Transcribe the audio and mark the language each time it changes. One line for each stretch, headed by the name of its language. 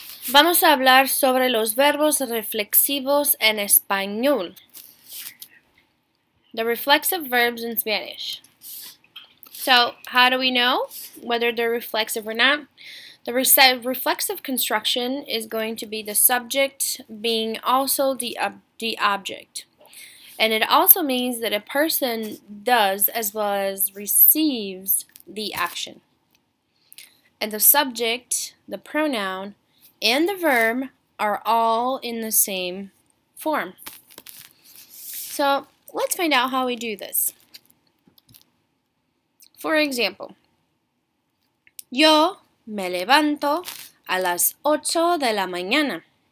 Spanish: Vamos a hablar sobre los verbos reflexivos en español.
English: The reflexive verbs in Spanish. So, how do we know whether they're reflexive or not? The reflexive construction is going to be the subject being also the object. And it also means that a person does as well as receives the action. And the subject, the pronoun, and the verb are all in the same form. So let's find out how we do this. For example,
Spanish: yo me levanto a las 8 de la mañana.